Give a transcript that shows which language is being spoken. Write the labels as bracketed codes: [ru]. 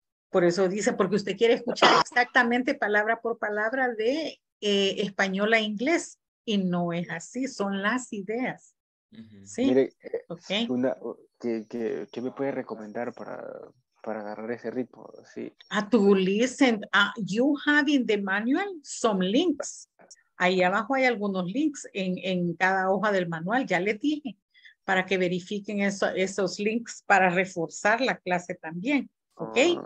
[es] Por eso dice, porque usted quiere escuchar exactamente palabra por palabra de español a inglés y no es así, son las ideas. Uh-huh. ¿Sí? Mire, okay. ¿Qué me puede recomendar para agarrar ese ritmo, sí. [en] To listen, you have in the manual some links. [es] Ahí abajo hay algunos links en cada hoja del manual, ya les dije, para que verifiquen esos links para reforzar la clase también, ¿ok?